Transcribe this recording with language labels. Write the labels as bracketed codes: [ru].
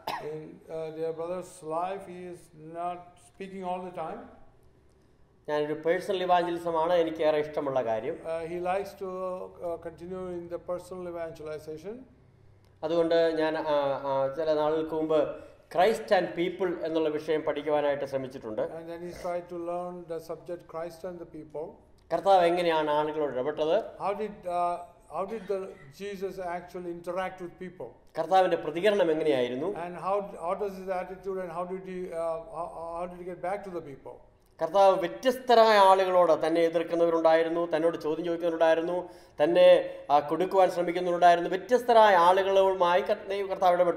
[en] In dear brother's life he is not speaking all the time. [ml] ഞാൻ ഒരു personal evangelism ആണ് എനിക്ക് ഏറെ ഇഷ്ടമുള്ള കാര്യം. [en] He likes to continue in the personal evangelization. [ml] അതുകൊണ്ട് ഞാൻ ചില നാളുകൾക്ക് മുമ്പ് ക്രൈസ്റ്റ് ആൻഡ് പീപ്പിൾ എന്നുള്ള വിഷയം പഠിക്കുവാനായിട്ട് ശ്രമിച്ചിട്ടുണ്ട്. [en] And then he tried to learn the subject Christ and the people. [ml] കർത്താവ് എങ്ങനെയാണ് ആളുകളോട് ഇടപെട്ടത്? [en] How did the Jesus actually interact with people? [ml] കർത്താവിന്റെ പ്രതികരണം എങ്ങനെയായിരുന്നു? [en] And how does his attitude and how did he get back to the people? [ml] കർത്താവ് വ്യത്യസ്തരായ ആളുകളോട് തന്നെ എതിർക്കുന്നവരുണ്ടായിരുന്നു, തന്നോട് ചോദ്യം ചോദിക്കുന്നവരുണ്ടായിരുന്നു, തന്നെ കൊടുക്കുവാൻ ശ്രമിക്കുന്നവരുണ്ടായിരുന്നു, വ്യത്യസ്തരായ ആളുകളുമായി കർത്താവ്